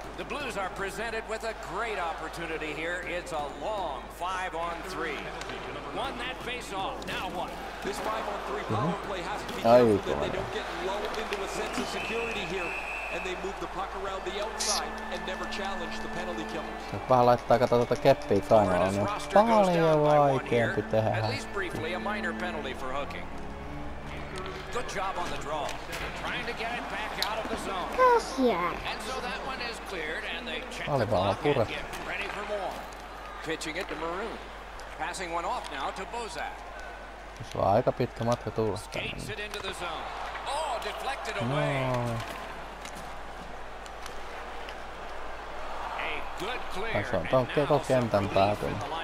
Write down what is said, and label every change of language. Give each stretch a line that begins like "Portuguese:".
English: The Blues are presented with a great opportunity here. It's a long 5-on-3. Won that face off. Now what? This 5-on-3 power play has to be careful that they don't get low into a sense of security here. And they move the puck around the outside and never challenge the penalty killers.
Finnish: Vähän laittaa kato tuota keppiä kainalaan, niin paljon vaikeampi tehdä.
English: At least briefly a minor penalty for hooking. Good job on the draw. Trying to get it back out of the zone. Yes, yeah. And so that one is cleared and they check the clock and get ready for more. Pitching it to Maroon. Passing one off now to Bozak.
Finnish: Se on aika pitkä matka tulla.
English: Skates it into the zone. Oh, deflected away. No. A good clear.
Finnish: Tässä on tuon koko kentän päätön.